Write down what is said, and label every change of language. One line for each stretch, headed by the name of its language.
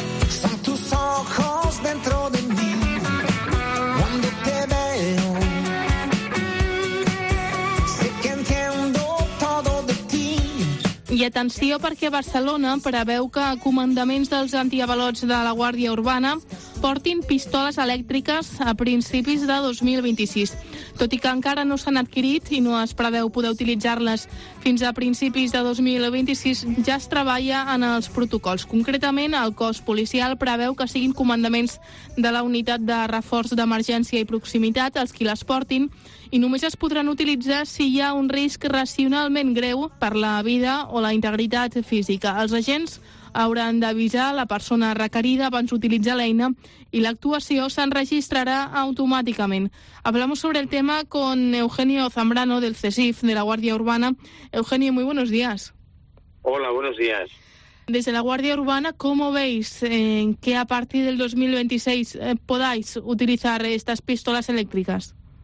Spanish: Son tus ojos dentro de mí. Cuando te veo, sé que entiendo todo de ti.
Catalan: I atenció, perquè Barcelona preveu que comandaments dels antiavalots de la Guàrdia Urbana portin pistoles elèctriques a principis de 2026. Tot i que encara no s'han adquirit i no es preveu poder utilitzar-les fins a principis de 2026, ja es treballa en els protocols. Concretament, el cos policial preveu que siguin comandaments de la unitat de reforç d'emergència i proximitat els qui les portin, i només es podran utilitzar si hi ha un risc racionalment greu per la vida o la integritat física. Els agents hauran d'avisar la persona requerida abans d'utilitzar l'eina i l'actuació s'enregistrarà automàticament.
Spanish: Hablamos sobre el tema con Eugenio Zambrano, del CESIF, de la Guàrdia Urbana. Eugenio, muy buenos días. Hola, buenos días. Desde la Guàrdia Urbana, ¿cómo veis que a partir del 2026 podáis utilizar estas pistolas eléctricas?